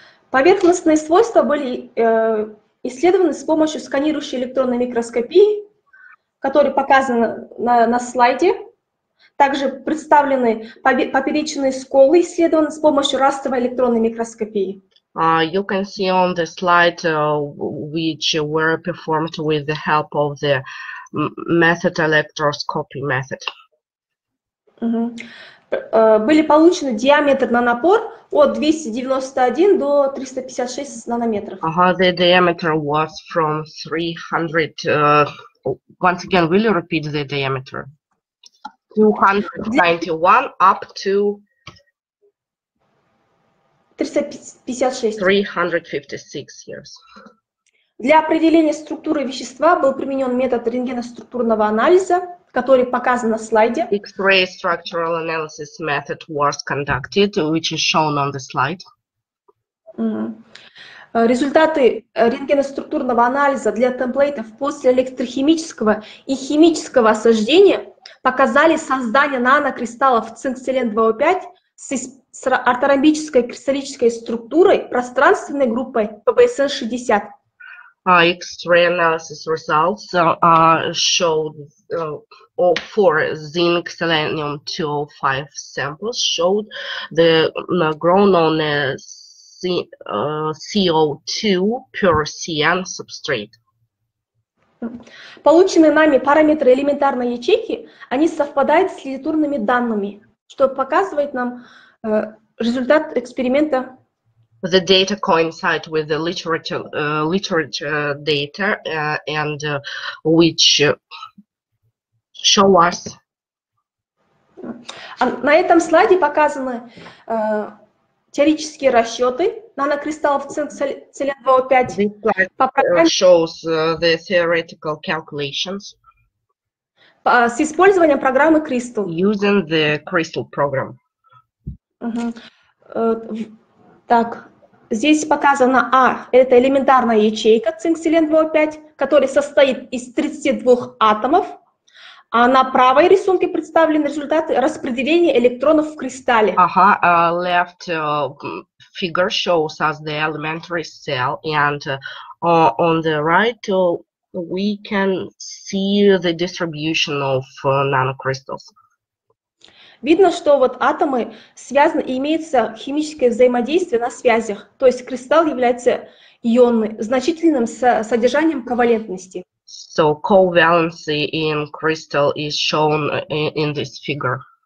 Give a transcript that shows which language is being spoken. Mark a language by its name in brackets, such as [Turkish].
[Russian] Поверхностные свойства были исследованы с помощью сканирующей электронной микроскопии, которая показана на слайде. Также представлены поперечные сколы, исследованы с помощью растровой электронной микроскопии. [English] You can see on the slide which were performed with the help of the method electroscopy method. [Russian] Были получены диаметр на напор от 291 до 356 нанометров. [English] The diameter was from 300. Once again, will you repeat the diameter? 291 up to 356 years. [Russian] Для определения структуры вещества был применен метод рентгеноструктурного анализа, который показан на слайде. [English] X-ray structural analysis method was conducted, which is shown on the slide. [Russian] Результаты рентгеноструктурного анализа для темплейтов после электрохимического и химического осаждения показали создание нанокристаллов цинксилен-2О5 с орторомбической кристаллической структурой пространственной группой ПБСН-60. [English] X-ray analysis results showed for zinc selenium 205 samples showed the grown on CO2 pure CN substrate. [Russian] Полученные нами параметры элементарной ячейки, они совпадают с литературными данными, что показывает нам результат эксперимента. [English] The data coincide with the literature data and which show us. [Russian] На этом слайде показаны теоретические расчеты нанокристаллов цинк-селен-2О5 [English] shows the theoretical calculations [Russian] с использованием программы Crystal. [English] Using the Crystal program. [Russian] Так. Здесь показано А, это элементарная ячейка цинк-селен-2О5, которая состоит из 32 атомов, а на правой рисунке представлены результаты распределения электронов в кристалле. [English] Left figure shows us the elementary cell, and on the right we can see the distribution of nanocrystals. [Russian] Видно, что вот атомы связаны и имеется химическое взаимодействие на связях, то есть кристалл является ионным, значительным содержанием ковалентности. [English] So covalency in crystal is shown in this figure.